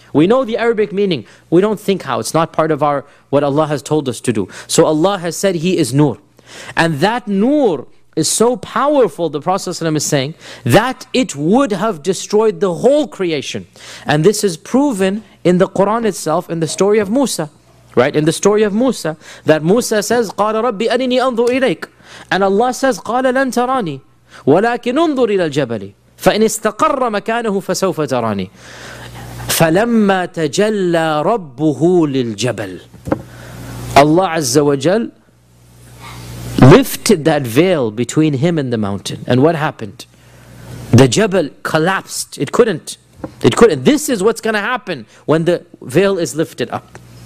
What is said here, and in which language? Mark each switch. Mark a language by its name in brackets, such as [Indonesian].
[English] We know the Arabic meaning. We don't think how. It's not part of our what Allah has told us to do. So Allah has said He is Nur. And that Nur is so powerful, the Prophet ﷺ is saying, that it would have destroyed the whole creation. And this is proven in the Quran itself, in the story of Musa. Right? In the story of Musa. That Musa says, [Arabic] قَالَ رَبِّ أَنِنِي أَنْظُرْ إِلَيْكَ. [English] And Allah says, [Arabic] قَالَ لَنْ تَرَانِي وَلَكِنْ أُنْظُرْ إِلَى الْجَبَلِ فَإِنِ اسْتَقَرَّ مَكَانَهُ فَسَوْفَ تَرَانِي. فَلَمَّا تَجَلَّى رَبُّهُ لِلْجَبَلِ. [English] Allah Azza wa Jal lifted that veil between Him and the mountain. And what happened? The Jabal collapsed. It couldn't. This is what's going to happen when the veil is lifted up.